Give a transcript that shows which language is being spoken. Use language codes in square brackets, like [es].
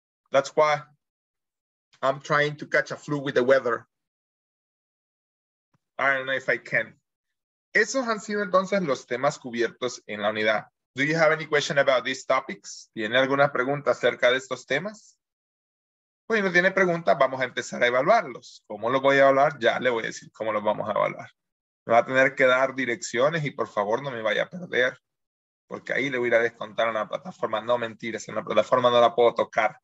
[en] That's why I'm trying to catch a flu with the weather. I don't know if I can. [es] Esos han sido entonces los temas cubiertos en la unidad. [en] Do you have any question about these topics? [es] ¿Tiene alguna pregunta acerca de estos temas? Pues si no tiene pregunta, vamos a empezar a evaluarlos. ¿Cómo los voy a evaluar? Ya le voy a decir cómo los vamos a evaluar. Me va a tener que dar direcciones y por favor no me vaya a perder. Porque ahí le voy a descontar una plataforma. No, mentiras, en la plataforma no la puedo tocar.